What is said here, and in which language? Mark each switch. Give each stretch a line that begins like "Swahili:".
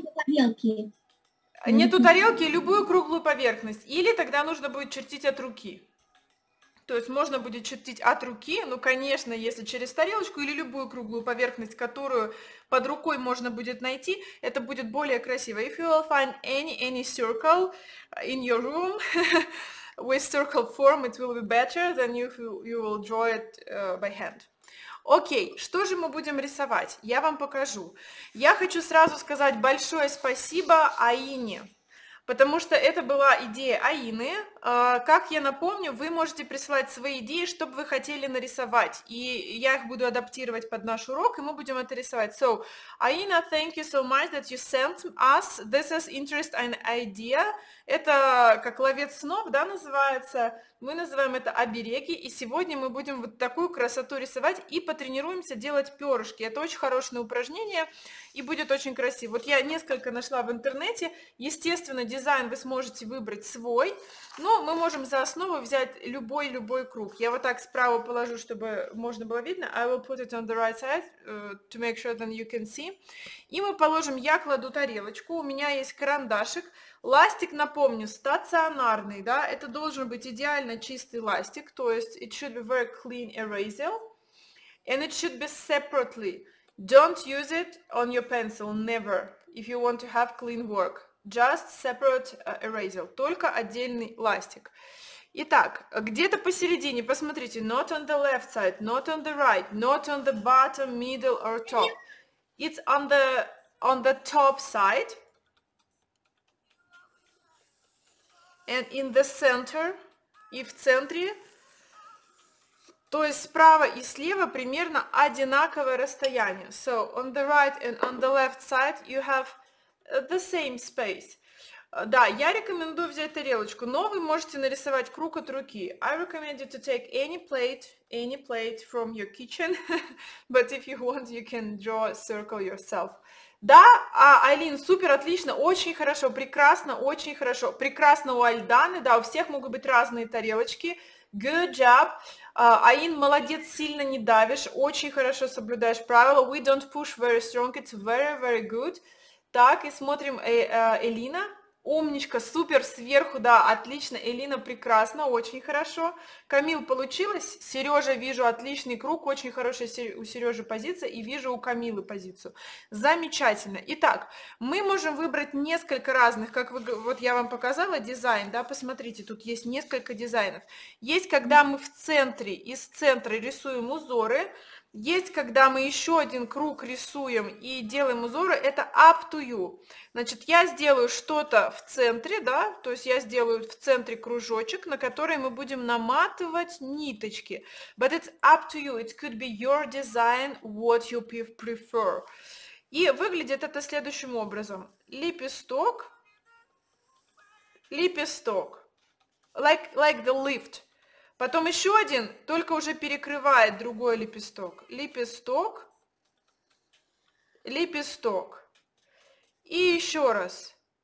Russian: Нету тарелки. Нету тарелки, любую круглую поверхность, или тогда нужно будет чертить от руки. То есть можно будет чертить от руки, ну, конечно, если через тарелочку или любую круглую поверхность, которую под рукой можно будет найти, это будет более красиво.
English: If you will find any circle in your room with circle form, it will be better than if you will draw it by hand.
Russian: Окей, что же мы будем рисовать? Я вам покажу. Я хочу сразу сказать большое спасибо Аине. Потому что это была идея Аины. Как я напомню, вы можете присылать свои идеи, что бы вы хотели нарисовать. И я их буду адаптировать под наш урок, и мы будем это рисовать.
English: So, Aina, thank you so much that you sent us. This is interest and idea.
Russian: Это как ловец снов, да, называется. Мы называем это обереги. И сегодня мы будем вот такую красоту рисовать и потренируемся делать перышки. Это очень хорошее упражнение и будет очень красиво. Вот я несколько нашла в интернете. Естественно, дизайн вы сможете выбрать свой. Но мы можем за основу взять любой круг. Я вот так справа положу, чтобы можно было видно.
English: I will put it on the right side to make sure that you can see.
Russian: И мы положим, я кладу тарелочку. У меня есть карандашик. Ластик, напомню, стационарный, да, это должен быть идеально чистый ластик, то есть
English: it should be very clean eraser, and it should be separately. Don't use it on your pencil, never, if you want to have clean work. Just separate eraser,
Russian: только отдельный ластик. Итак, где-то посередине, посмотрите,
English: not on the left side, not on the right, not on the bottom, middle or top. It's on the top side. And in the center,
Russian: и в центре, то есть справа и слева примерно одинаковое расстояние.
English: So, on the right and on the left side you have the same space.
Russian: Да, я рекомендую взять тарелочку, но вы можете нарисовать круг от руки.
English: I recommend you to take any plate from your kitchen, but if you want, you can draw a circle yourself.
Russian: Да, Айлин, супер, отлично, очень хорошо, прекрасно, очень хорошо. Прекрасно у Альданы, да, у всех могут быть разные тарелочки.
English: Good job.
Russian: Айн, молодец, сильно не давишь, очень хорошо соблюдаешь правила.
English: We don't push very strong, it's very, very good.
Russian: Так, и смотрим Элина. Умничка, супер, сверху, да, отлично. Элина, прекрасно, очень хорошо. Камил, получилось? Сережа, вижу, отличный круг, очень хорошая у Сережи позиция, и вижу у Камилы позицию. Замечательно. Итак, мы можем выбрать несколько разных, как вы, вот я вам показала дизайн, да, посмотрите, тут есть несколько дизайнов. Есть, когда мы в центре, из центра рисуем узоры, есть, когда мы еще один круг рисуем и делаем узоры, это
English: up to you.
Russian: Значит, я сделаю что-то в центре, да, то есть я сделаю в центре кружочек, на который мы будем наматывать ниточки.
English: But it's up to you, it could be your design, what you prefer.
Russian: И выглядит это следующим образом. Лепесток, лепесток,
English: like the lift.
Russian: Потом еще один, только уже перекрывает другой лепесток. Лепесток, лепесток. И еще раз.